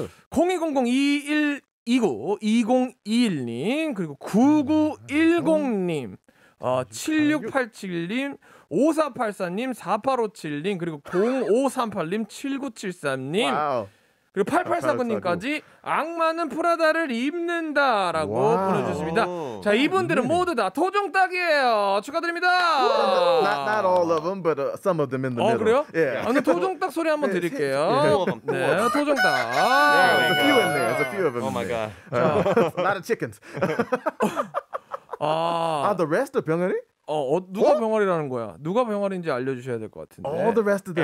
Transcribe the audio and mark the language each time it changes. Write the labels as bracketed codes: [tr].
[ko] 020021292021님 그리고 9910님, 7687님. 5484님, 4857님, 그리고 0538님, 7973님, [en] wow. [ko] 그리고 8849님까지 악마는 프라다를 입는다라고 wow. 보내주셨습니다. 자, 이분들은 모두 다 토종닭이에요. 축하드립니다. [en] Not all of them, but some of them in the middle. [ko] 그래요? [en] Yeah. [ko] 아니, 토종닭 소리 한번 드릴게요. 네, 토종닭. [en] There's a few in there. There's a few of them. Oh my god. Lot of chickens. the rest of 병아리? [ko] 누가 병아리라는 거야? 누가 병아리인지 알려주셔야 될 것 같은데. [en] All the rest of them.